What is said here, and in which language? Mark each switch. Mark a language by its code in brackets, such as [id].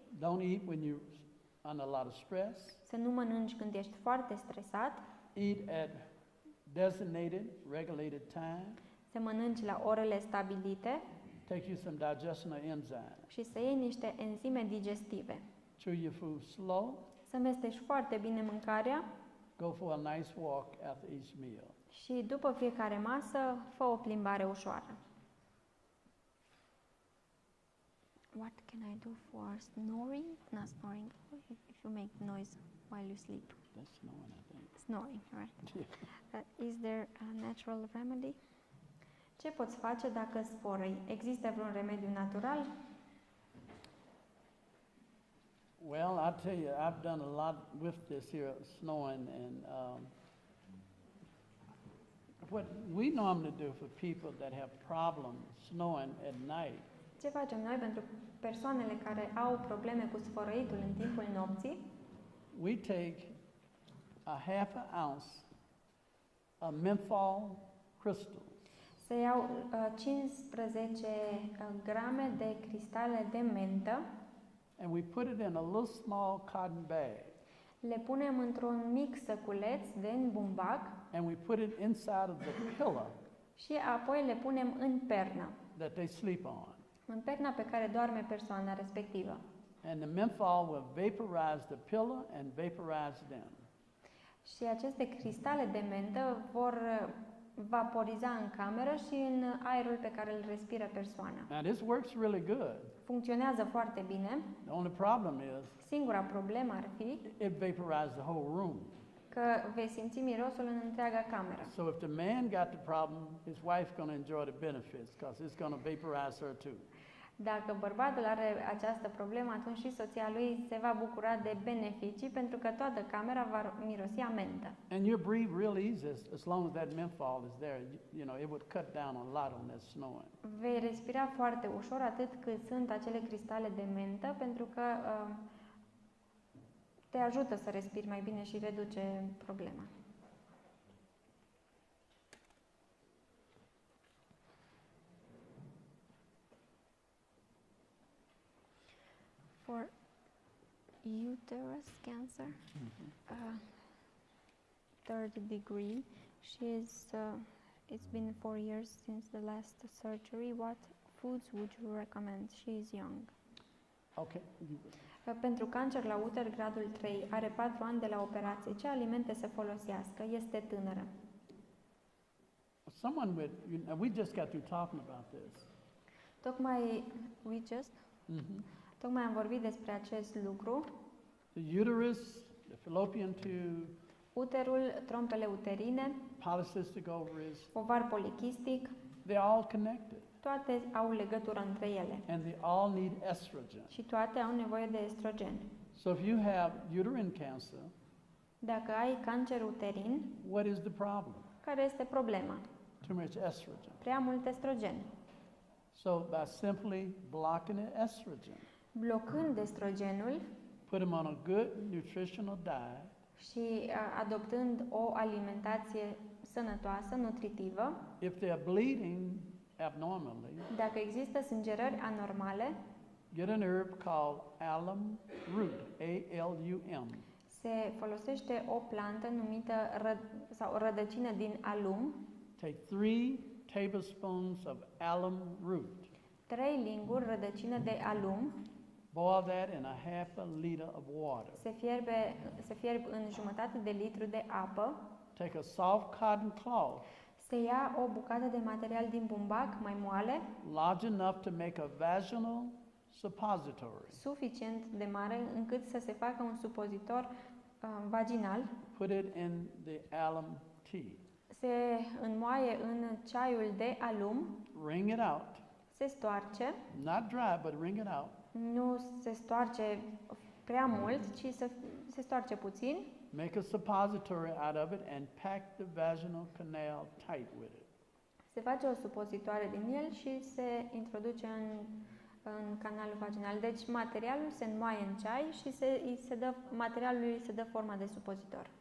[en] Don't eat when you're under a lot of stress. [ro] Să nu mănânci când ești foarte stresat. [en] Eat at designated, regulated time. [ro] Să mănânci la orele stabilite. [en] Take you some digestional enzyme. [ro] Și să iei niște enzime digestive. [en] Chew your food slow. [ro] Să mesteci foarte bine mâncarea. [en] Go for a nice walk after each meal. [ro] Și după fiecare masă, fă o plimbare ușoară. [en] What can I do for snoring? Not snoring. If you make noise while you sleep. That's snoring, I think. Snoring, right. Yeah. Is there a natural remedy? [ro] Ce poți face dacă sporăi? Există vreun remediu natural? [en] Well, I tell you, I've done a lot with this here, snoring, and what we normally do for people that have problems snoring at night. [ro] Ce facem noi pentru persoanele care au probleme cu sfărăitul în timpul nopții? [en] We take a half an ounce of menthol crystals. [ro] Se iau 15 grame de cristale de mentă. [en] And we put it in a little small cotton bag. [ro] Le punem într-un mic săculeț din bumbac. [en] And we put it inside of the pillow. [ro] Și apoi le punem în pernă. [en] That they sleep on. [ro] În perna pe care doarme persoana respectivă. [en] And the menthol will vaporize the pillow and vaporize them. [ro] Și aceste cristale de mentă vor vaporiza în cameră și în aerul pe care îl respiră persoana. [en] Now this works really good. [ro] Funcționează foarte bine. [en] The only problem is, [ro] singura problemă ar fi, [en] it vaporizes the whole room. [ro] Că vei simți mirosul în întreaga cameră. [en] So if the man got the problem, his wife's going to enjoy the benefits because it's going to vaporize her too. [ro] Dacă bărbatul are această problemă, atunci și soția lui se va bucura de beneficii pentru că toată camera va mirosi a mentă. [en] And you breathe real easy as long as that menthol is there. You know, it would cut down a lot on that snoring. [ro] Vei respira foarte ușor atât cât sunt acele cristale de mentă pentru că te ajută să respiri mai bine și reduce problema. [en] For uterus cancer, third degree. She is. It's been 4 years since the last surgery. What foods would you recommend? She is young. Okay. [ro] Pentru cancer la uter gradul 3, are 4 ani de la operație. Ce alimente să folosească? Este tânără. [en] Someone with. You know, we just got through talking about this. [ro] Tocmai [en] we just. Mm-hmm. [ro] Tocmai am vorbit despre acest lucru. [en] The uterus, the fallopian tube. [ro] Uterul, trompele uterine. [en] Polycystic ovaries. [ro] Ovar polichistic. [en] They're all connected. [ro] Toate au legătură între ele. [en] And they all need estrogen. [ro] Și toate au nevoie de estrogen. [en] So if you have uterine cancer. [ro] Dacă ai cancer uterin. [en] What is the problem? [ro] Care este problema? [en] Too much estrogen. [ro] Prea mult estrogen. [en] So by simply blocking the estrogen. [ro] Blocând estrogenul, [en] put them on a good nutritional diet, [ro] și adoptând o alimentație sănătoasă, nutritivă, [en] if they are bleeding abnormally, [ro] dacă există sângerări anormale, [en] get an herb called alum root, A-L-U-M. [ro] Se folosește o plantă numită sau o rădăcină din alum. [en] Take 3 tablespoons of alum root. [ro] 3 linguri rădăcină de alum. [en] Boil that in a half a liter of water. [ro] Se fierbe în jumătate de litru de apă. [en] Take a soft cotton cloth. [ro] Se ia o bucată de material din bumbac mai moale. [en] Large enough to make a vaginal suppository. [ro] Suficient de mare încât să se facă un supozitor vaginal. [en] Put it in the alum tea. [ro] Se înmoaie în ceaiul de alum. [en] Wring it out. [ro] Se stoarce. [en] Not dry, but wring it out. [ro] Nu se stoarce prea mult, ci se stoarce puțin. [en] Make a suppository out of it and pack the vaginal canal tight with it. [ro] Se face o supozitoare din el și se introduce în, în canalul vaginal. Deci materialul se înmoaie în ceai și se, se dă, materialul îi se dă forma de supozitor.